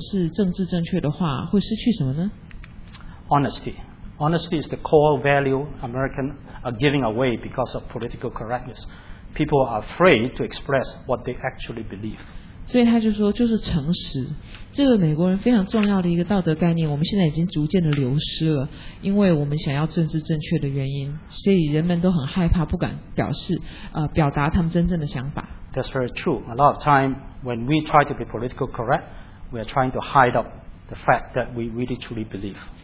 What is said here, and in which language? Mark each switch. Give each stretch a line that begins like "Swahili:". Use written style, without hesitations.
Chinese: 所以就有记者问他说,如果我们总是政治正确的话,会失去什么呢?
English: Honesty. Honesty is the core value American are giving away because of political correctness. People are afraid to express what they actually believe.
Chinese: 所以他就说就是诚实。这个美国人非常重要的一个道德概念,我们现在已经逐渐的流失了,因为我们想要政治正确的原因,所以人们都很害怕不敢表达他们真正的想法。
English: That's very true. A lot of time when we try to be political correct, we are trying to hide up the fact that we really truly believe.